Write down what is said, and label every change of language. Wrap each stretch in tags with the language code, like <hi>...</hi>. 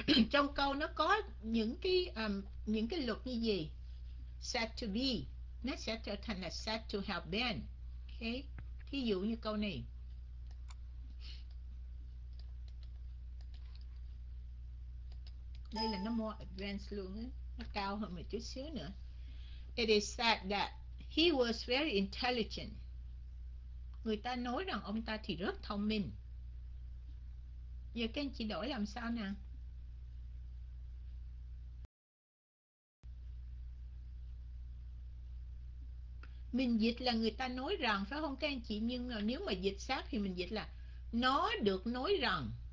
<vi>Trong câu nó có những cái luật như gì? Said to be. Nó sẽ trở thành là said to have been. Okay. Thí dụ như câu này. Đây là nó more advanced luôn á, nó cao hơn một chút xíu nữa.</vi> <en>It is said that he was very intelligent.</en> <vi>Người ta nói rằng ông ta thì rất thông minh. Giờ các anh chị đổi làm sao nè? Mình dịch là người ta nói rằng, phải không các anh chị? Nhưng mà nếu mà dịch sát thì mình dịch là nó được nói rằng.</vi>